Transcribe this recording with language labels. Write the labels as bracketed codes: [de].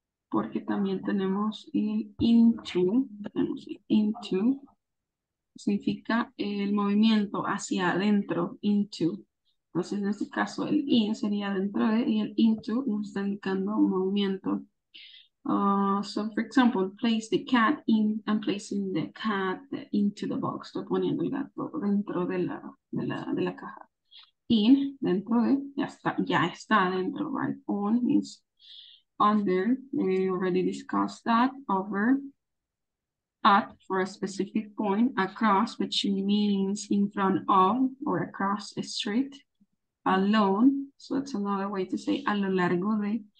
[es] Porque también tenemos el into, significa el movimiento hacia adentro, into. Entonces, en este caso, el in sería dentro de, y el into nos está indicando un movimiento. [en] So, for example, place the cat in, I'm placing the cat into the box. [es] Estoy poniendo el gato dentro de la caja. In, dentro de, ya está dentro, [en] right? On means under, we already discussed that, over, at for a specific point, across, which means in front of or across a street, alone, so it's another way to say [es] a lo largo de.